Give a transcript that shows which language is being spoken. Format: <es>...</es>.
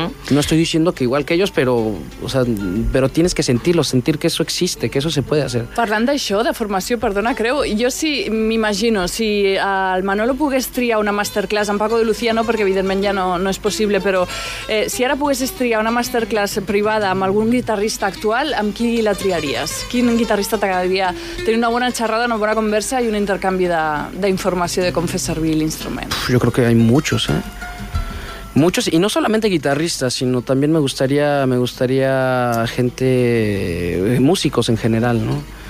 <es>No estoy diciendo que igual que ellos, pero tienes que sentir que eso existe, que eso se puede hacer.</es> <ca>Parlant d'això, de formació, perdona,</ca> <es>creo, yo sí,</es> <ca>m'imagino, si el Manolo pogués triar una masterclass en Paco de Lucía, no, perquè evidentment ja no és possible, però si ara poguessis triar una masterclass privada amb algun guitarrista actual, amb qui la triaries? Quin guitarrista t'agradaria tenir una bona xerrada, una bona conversa i un intercanvi d'informació de com fer servir l'instrument?</ca> <es>Yo creo que hay muchos, ¿eh? Muchos, y no solamente guitarristas, sino también me gustaría gente, músicos en general, ¿no?</es>